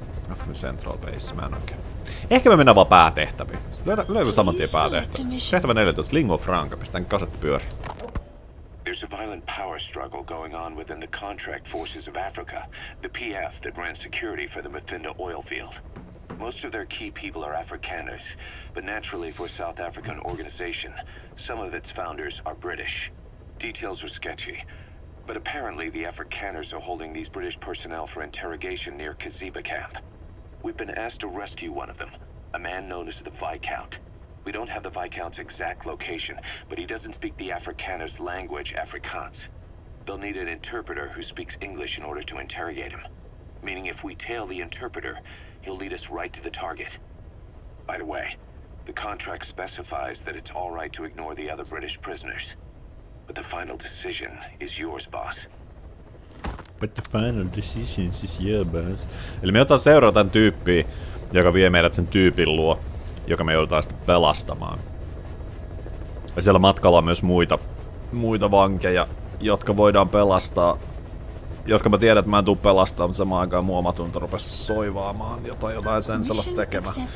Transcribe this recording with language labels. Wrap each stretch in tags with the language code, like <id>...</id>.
<fi>Afrin Central Base, mä en oikein. Ehkä me mennään vaan päätehtäviin. Löydä saman tien päätehtäviin. Tehtävä 14, Lingua Franca, pistetään kasetti pyöriin.</fi> <en>There's a violent power struggle going on within the contract forces of Africa, the PF that ran security for the Mthinda oil field. Most of their key people are Afrikaners, but naturally for a South African organization, some of its founders are British. Details are sketchy, but apparently the Afrikaners are holding these British personnel for interrogation near Kaziba camp. We've been asked to rescue one of them, a man known as the Viscount. We don't have the Viscount's exact location, but he doesn't speak the Afrikaners' language, Afrikaans. They'll need an interpreter who speaks English in order to interrogate him. Meaning if we tail the interpreter, he'll lead us right to the target. By the way, the contract specifies that it's all right to ignore the other British prisoners. But the final decision is yours, boss. But the final decision is yours, boss.</en> <fi>Eli me otetaan seuraa tän tyyppiä, joka vie meidät sen tyypin luo, joka me joudutaan sitten pelastamaan. Ja siellä matkalla on myös muita vankeja, jotka voidaan pelastaa. Jotka mä tiedän, että mä en tuu pelastaa, mutta samaan aikaan mua omatunto rupes soivaamaan jotain sen sellaista tekemään.</fi>